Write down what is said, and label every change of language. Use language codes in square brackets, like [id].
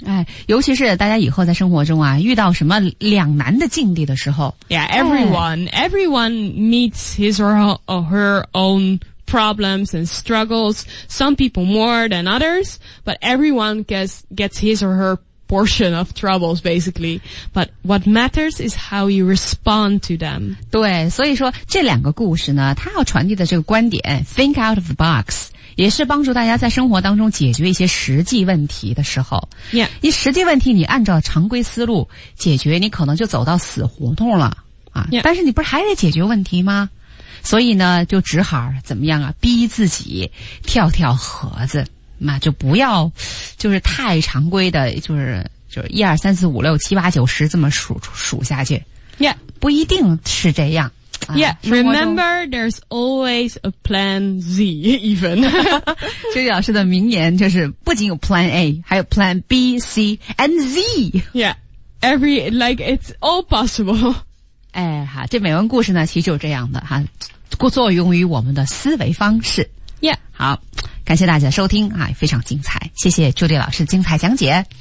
[zh] 哎，尤其是大家以后在生活中啊，遇到什么两难的境地的时候。 [en] Yeah, everyone meets his or her own problems and struggles, some people more than others, but everyone gets his or herportion of troubles basically but what matters is how you respond to them [zh] 对所以说这两个故事呢它要传递的这个观点 [en] think out of the box [zh] 也是帮助大家在生活当中解决一些实际问题的时候、 [en] yeah. [zh] 一实际问题你按照常规思路解决你可能就走到死胡同了、啊 [en] yeah. [zh] 但是你不是还得解决问题吗所以呢就只好怎么样啊逼自己跳跳盒子嘛就不要就是太常规的就是一二三四五六七八九十这么数下去。 [en] Yeah. [zh] 不一定是这样 [en] Yeah, remember, there's always a plan Z, even. [zh] 秋姐老师的名言就是不仅有 plan A, 还有 [en] plan B, C, and Z. Yeah, every, like, it's all possible. [zh] 哎，好，这美文故事呢，其实就这样的，哈，作用于我们的思维方式。 [en] Yeah. [zh] 好，感谢大家收听，哎，非常精彩。谢谢秋姐老师精彩讲解。